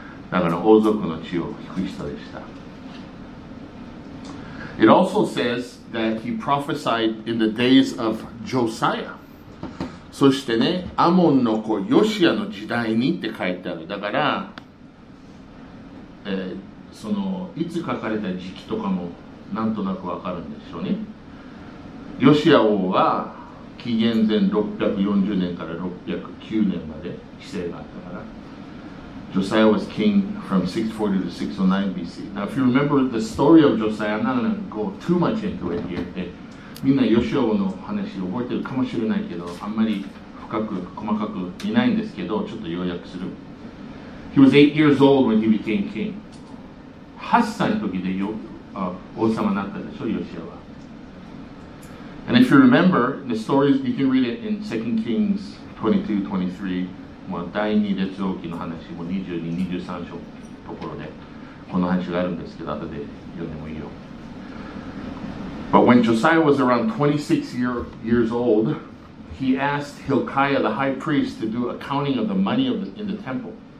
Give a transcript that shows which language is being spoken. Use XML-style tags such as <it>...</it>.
<ja>だから王族の血を引く人でした。</ja> <en>It also says that he prophesied in the days of Josiah.</en> <ja>そしてね、アモンの子ヨシアの時代にって書いてある。だから、そのいつ書かれた時期とかもなんとなくわかるんでしょうね。ヨシア王は紀元前640年から609年まで治世があったから。</ja> <en>Josiah was king from 640 to 609 BC. Now, if you remember the story of Josiah, I'm not going to go too much into it here.</en> <ja>みんなヨシア王の話を覚えてるかもしれないけど、あんまり深く細かくいないんですけど、ちょっと要約する。</ja> <en>He was 8 years old when he became king.</en> <ja>8歳の時で王様になったでしょ、ヨシアは。</ja> <en>And if you remember the stories, you can read it in 2 Kings 22-23.</en> <ja>まあ、第二列王記の話も22、23章ところでこの話があるんですけど、後で読んでもいいよ。</ja> <en>But when Josiah was around 26 years old, he asked Hilkiah the high priest to do accounting of the money of in the temple.</en>